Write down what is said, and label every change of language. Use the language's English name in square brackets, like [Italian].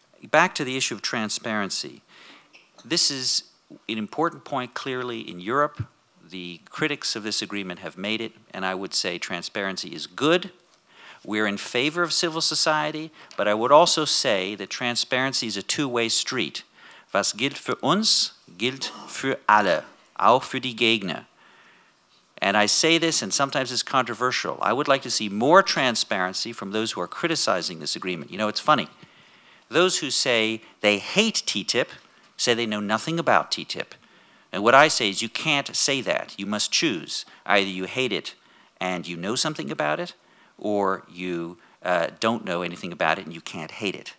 [English] Back to the issue of transparency. This is an important point clearly in Europe. The critics of this agreement have made it, and I would say transparency is good. We're in favor of civil society, but I would also say that transparency is a two-way street. [German] Was gilt für uns, gilt für alle, auch für die Gegner. [English] And I say this, and sometimes it's controversial. I would like to see more transparency from those who are criticizing this agreement. You know, it's funny. Those who say they hate TTIP say they know nothing about TTIP. And what I say is you can't say that. You must choose. Either you hate it and you know something about it, or you don't know anything about it and you can't hate it.